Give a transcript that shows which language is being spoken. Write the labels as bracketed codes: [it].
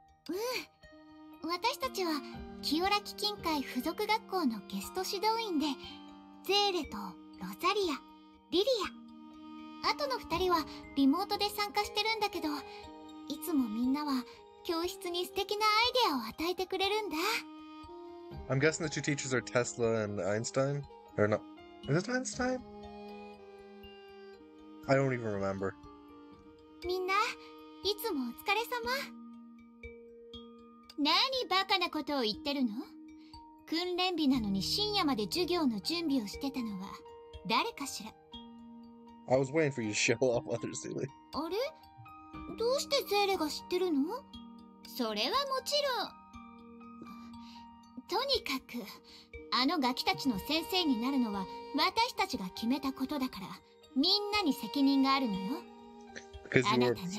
[ja] うん、私たちは清良基金会附属学校のゲスト指導員で、ゼーレとロザリア、リリア、あとの2人はリモートで参加してるんだけど、いつもみんなは教室に素敵なアイデアを与えてくれるんだ。 [en] I'm guessing the two teachers are Tesla and Einstein? Or not? Is it Einstein? I don't even remember. [ja] みんな、いつもお疲れ様。何バカなことを言ってるの？訓練日なのに深夜まで授業の準備をしてたのは誰かしら？ [en] I was waiting for you to show up, Mother Zuli. [ja] あれ？どうしてゼーレが知ってるの？それはもちろん。とにかく、あのガキたちの先生になるのは私たちが決めたことだから、みんなに責任があるのよ。あなたね、